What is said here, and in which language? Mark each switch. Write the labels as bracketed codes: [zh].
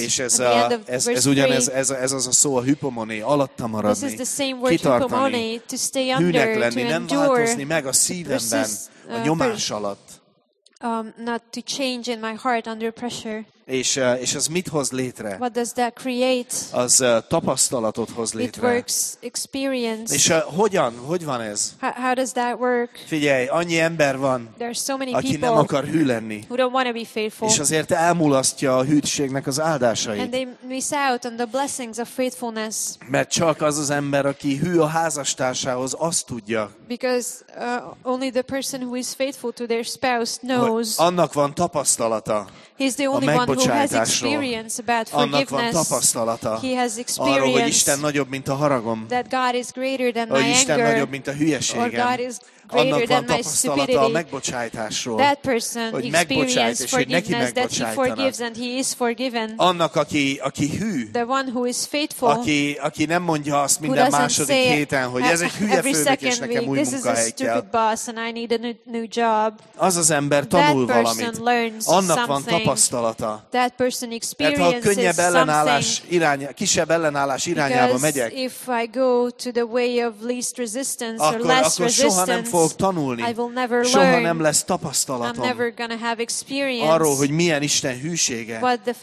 [hu] És ez ugyanez, ez az a szó, a hypomone, alatta maradni, [en] this is the same word, [hu] kitartani, [en] to stay under, [hu] hűnek lenni, [en] to [hu] nem [en] endure, [hu] változni meg a szívemben, a nyomás alatt. [en] Not to change in my heart under pressure. [hu] És az mit hoz létre? [en] What does that create? [hu] Az tapasztalatot hoz létre. [en] It works experience. [hu] És hogyan? Hogy van ez? [en] How does that work? [hu] Figyelj, annyi ember van, [en] there are so many [hu] aki [en] people [hu] nem akar hű lenni. [en] Who don't want to be faithful. [hu] És azért elmulasztja a hűtségnek az áldásait. [en] And they miss out on the blessings of faithfulness. [hu] Mert csak az az ember, aki hű a házastársához, azt tudja. [en] Because only the person who is faithful to their spouse knows. [hu] Annak van tapasztalata. [en] He's the only one who has experience about forgiveness. He has experience that God is greater than my anger, or God is greater than my stupidity. [hu] A megbocsájtásról, [en] that person experienced forgiveness, that he forgives and he is forgiven. [hu] Annak, aki hű, [en] the one who is faithful, [hu] aki nem mondja azt minden második héten, hogy ez egy hülye főnök, és nekem új munkahely kell. [en] This is a stupid boss and I need a new job. [hu] Az az ember tanul valamit. Annak van tapasztalata. [en] That person experiences something. [hu] Könnyebb ellenállás irányába, kisebb ellenállás irányába megyek. [en] If I go to the way of least resistance or less resistance, [hu] nem fogok tanulni. Soha nem lesz tapasztalatom arról, hogy milyen Isten hűsége.